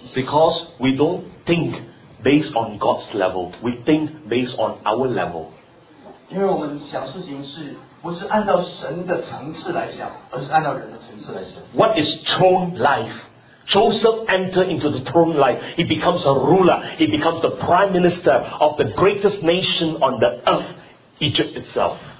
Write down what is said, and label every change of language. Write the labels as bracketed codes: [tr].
[en] Because we don't think based on God's level, we think based on our level. [zh] 因为我们想事情是不是按照神的层次来想，而是按照人的层次来想。 [en] What is throne life? Joseph entered into the throne life. He becomes a ruler. He becomes the prime minister of the greatest nation on the earth, Egypt itself.